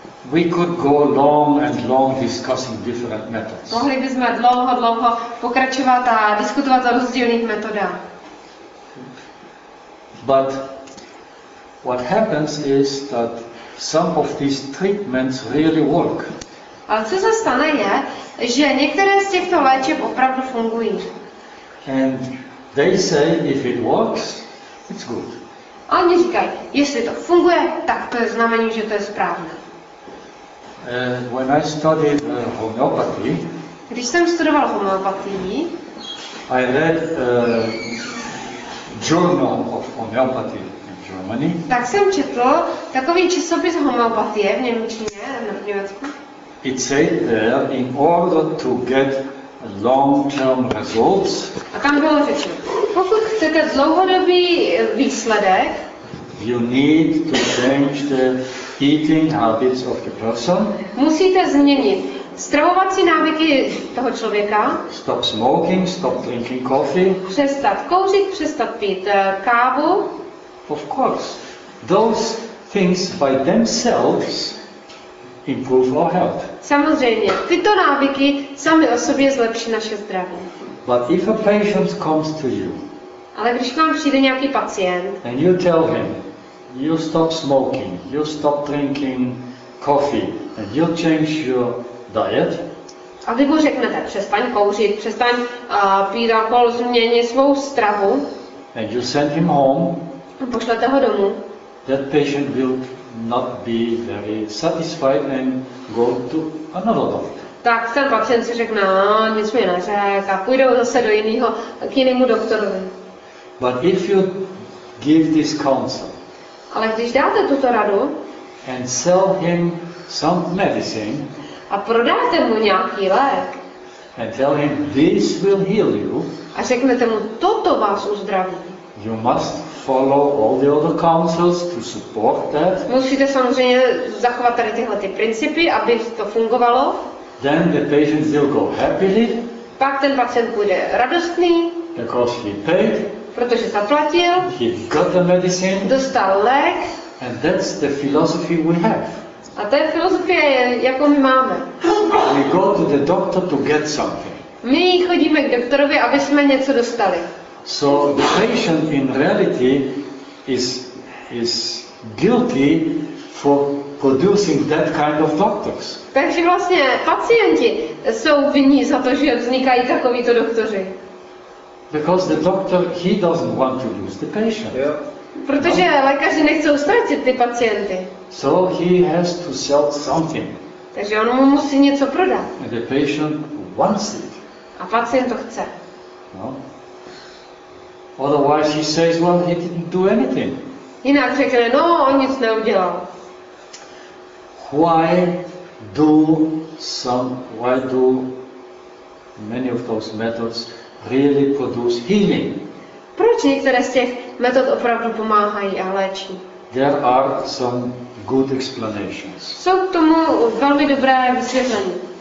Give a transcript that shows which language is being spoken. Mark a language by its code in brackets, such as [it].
[en] We could go long and long discussing different methods. [cs] Mohli bychom dlouho, dlouho pokračovat a diskutovat o rozdílných metodách. [en] But what happens is that some of these treatments really work. [cs] Ale co se stane je, že některé z těchto léčeb opravdu fungují. [en] And they say if it works, it's good. [cs] A oni říkají, jestli to funguje, tak to je znamení, že to je správné. [en] When I studied homeopathy, [cs] když jsem studoval homeopatii, [en] I read a journal of homeopathy in Germany. [cs] Tak jsem četl takový časopis homeopatie v němčině nebo v Německu. [en] It said there in order to get long-term results. [cs] A tam bylo řečeno, pokud chcete dlouhodobý výsledek, [en] you need to change the eating habits of the person. [cs] Musíte změnit stravovací návyky toho člověka. [en] Stop smoking, stop drinking coffee. [cs] Přestat kouřit, přestat pít kávu. [en] Of course, those things by themselves improve our health. [cs] Samozřejmě, tyto návyky sami o sobě zlepší naše zdraví. [en] But if a patient comes to you. [cs] Ale když k vám přijde nějaký pacient. [en] And you tell him, you stop smoking, you stop drinking coffee, and you change your diet. [cs] A vy mu řeknete, přestaň kouřit, přestaň pít alkohol, změni svou stravu. [en] And you send him home. [cs] A pošlete ho domů. [en] That patient will not be very satisfied and go to another doctor. [cs] Tak ten pacient si řekne, nic mi neřek a půjdou zase do jiného, k jinému doktorovi. [en] But if you give this counsel, [cs] ale když dáte tuto radu [en] and sell him some medicine, [cs] a prodáte mu nějaký lék [en] and tell him, this will heal you, [cs] a řeknete mu, toto vás uzdraví, [en] you must follow all the other counsels to support that. [cs] Musíte samozřejmě zachovat tady tyhle ty principy, aby to fungovalo. [en] Then the patient will go happily. [cs] Pak ten pacient bude radostný. [en] Because he paid. [cs] Protože zaplatil. [en] He got the medicine. [cs] Dostal lék. [en] And that's the philosophy we have. [cs] A to je filozofie, jakou my máme. [en] We go to the doctor to get something. [cs] My chodíme k doktorovi, aby jsme něco dostali. [en] So the patient in reality is guilty for producing that kind of doctors. [cs] Takže vlastně pacienti jsou vinni za to, že vznikají takovýto doktoři. [en] Because the doctor, he doesn't want to lose the patient. Yeah. [cs] Protože lékaři nechcou ztratit ty pacienty. [en] So he has to sell something. [cs] Takže on mu musí něco prodat. [en] And the patient wants it. [cs] A pacient to chce. [en] No. Otherwise he says, well, he didn't do anything. [cs] Jinak řekne, no, on nic neudělal. [en] Why do many of those methods really produce healing? [cs] Proč některé z těch metod opravdu pomáhají a léčí? [en] There are some good explanations. [cs] Jsou k tomu velmi dobré vysvětlení.